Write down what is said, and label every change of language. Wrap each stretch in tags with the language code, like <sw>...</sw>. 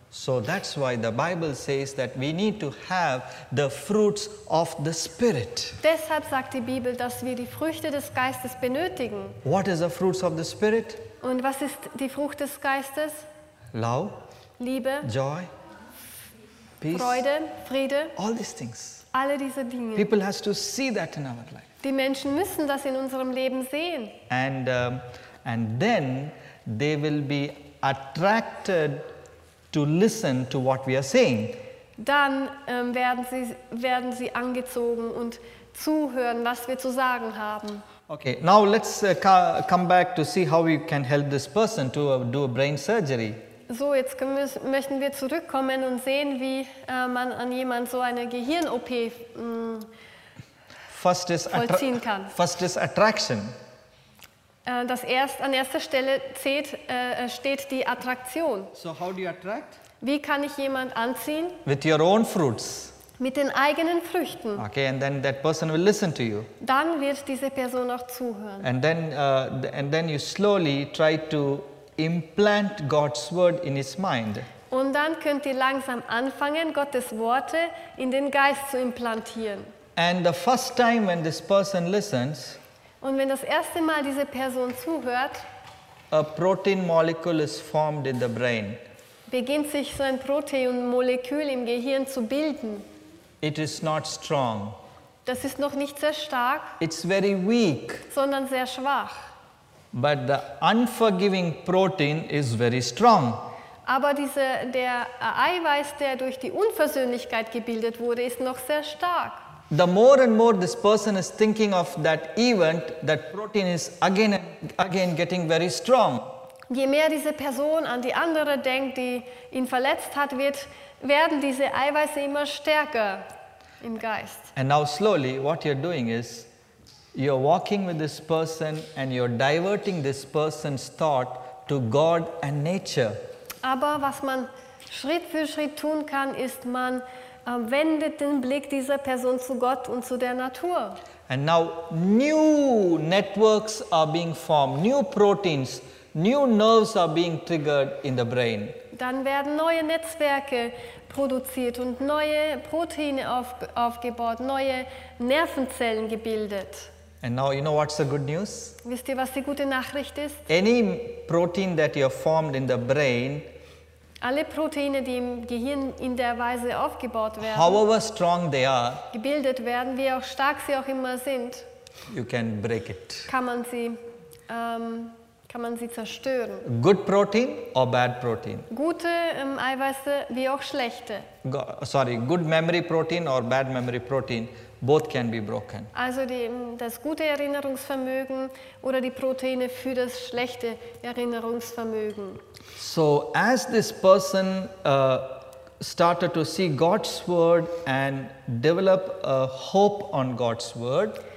<en>So that's why the Bible says that we need to have the fruits of the Spirit.</en> <de>Deshalb sagt die Bibel, dass wir die Früchte des Geistes benötigen.</de> <en>What is the fruits of the Spirit?</en> <de>Und was ist die Frucht des Geistes?</de> <en>Love.</en> <de>Liebe.</de> <en>Joy. Peace.</en> <de>Freude. Friede.</de> <en>All these things.</en> <de>Alle diese Dinge.</de> <en>People have to see that in our life.</en> <de>Die Menschen müssen das in unserem Leben sehen.</de> <en>And then they will be attracted to listen to what we are saying.</en> <de>Dann werden sie angezogen und zuhören, was wir zu sagen haben.</de> <en>Okay, now let's come back to see how we can help this person to do a brain surgery.</en> <de>So, jetzt möchten wir zurückkommen und sehen, wie man an jemand so eine Gehirn-OP vollziehen kann.</de> <en>First is attraction.</en> <de>An erster Stelle steht die Attraktion.</de> <en>So how do you attract?</en> <de>Wie kann ich jemand anziehen?</de> <en>With your own fruits.</en> <de>Mit den eigenen Früchten.</de> <en>Okay, and then that person will listen to you.</en> <de>Dann wird diese Person auch zuhören.</de> <en>And then you slowly try to implant God's word in his mind.</en> <de>Und dann könnt ihr langsam anfangen, Gottes Worte in den Geist zu implantieren.</de> <en>And the first time when this person listens,</en> <de>und wenn das erste Mal diese Person zuhört,</de> <en>a protein molecule is formed in the brain.</en> <de>Beginnt sich so ein Proteinmolekül im Gehirn zu bilden.</de> <en>It is not strong.</en> <de>Das ist noch nicht sehr stark.</de> <en>It's very weak.</en> <de>Sondern sehr schwach.</de> <en>But the unforgiving protein is very strong.</en> <de>Aber der Eiweiß, der durch die Unversöhnlichkeit gebildet wurde, ist noch sehr stark.</de> <en>The more and more this person is thinking of that event, that protein is again and again getting very strong.</en> <de>Je mehr diese Person an die andere denkt, die ihn verletzt hat, werden diese Eiweiße immer stärker im Geist.</de> <en>And now slowly, what you're doing is, You're walking with this person and you're diverting this person's thought to God and nature.</en> <de>Aber was man Schritt für Schritt tun kann, ist, man wendet den Blick dieser Person zu Gott und zu der Natur.</de> <en>And now new networks are being formed, new proteins, new nerves are being triggered in the brain.</en> <de>Dann werden neue Netzwerke produziert und neue Proteine aufgebaut, neue Nervenzellen gebildet.</de> <en>And now you know what's the good news?</en> <de>Wisst ihr, was die gute Nachricht ist?</de> <en>Any protein that you have formed in the brain,</en> <de>alle Proteine, die im Gehirn in der Weise aufgebaut werden,</de> <en>however strong they are,</en> <de>gebildet werden, wie auch stark sie auch immer sind,</de> <en>you can break it.</en> <de>Kann man sie zerstören.</de> <en>Good protein or bad protein?</en> <de>Gute Eiweiße wie auch schlechte.</de> <en>Good memory protein or bad memory protein, both can be broken.</en> <de>Also das gute Erinnerungsvermögen oder die Proteine für das schlechte Erinnerungsvermögen.</de> <en>So as this person started to see God's word and develop a hope on God's word,</en>